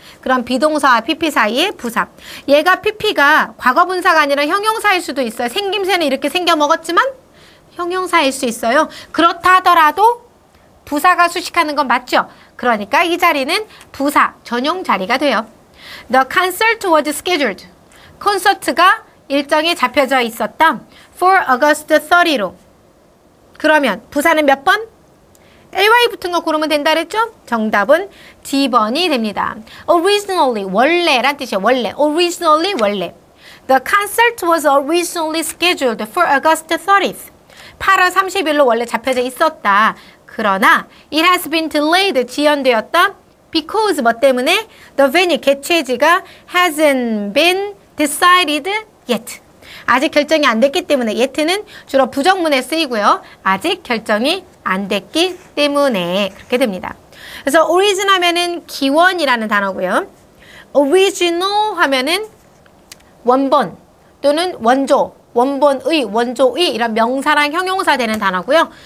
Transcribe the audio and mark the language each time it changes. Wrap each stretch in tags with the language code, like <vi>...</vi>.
<ko>그럼 비동사와 PP 사이에 부사. 얘가 PP가 과거분사가 아니라 형용사일 수도 있어요. 생김새는 이렇게 생겨먹었지만 형용사일 수 있어요. 그렇다 하더라도 부사가 수식하는 건 맞죠? 그러니까 이 자리는 부사 전용 자리가 돼요.</ko> <en>The concert was scheduled.</en> <ko>콘서트가 일정이 잡혀져 있었다.</ko> <en>For August 30</en> <ko>로. 그러면 부사는 몇 번? ly 붙은 거 고르면 된다 그랬죠? 정답은 d번이 됩니다. originally, 원래란 뜻이에요. 원래. originally, 원래.</ko> <en>The concert was originally scheduled for August 30th.</en> <ko>8월 30일로 원래 잡혀져 있었다. 그러나</ko> <en>it has been delayed,</en> <ko>지연되었다. because, 뭐 때문에?</ko> <en>the venue,</en> <ko>개최지가</ko> <en>hasn't been decided yet.</en> <ko>아직 결정이 안 됐기 때문에 yet는 주로 부정문에 쓰이고요. 아직 결정이 안 됐기 때문에 그렇게 됩니다. 그래서 origin 하면은 기원이라는 단어고요. original 하면은 원본 또는 원조, 원본의, 원조의 이런 명사랑 형용사 되는 단어고요.</ko>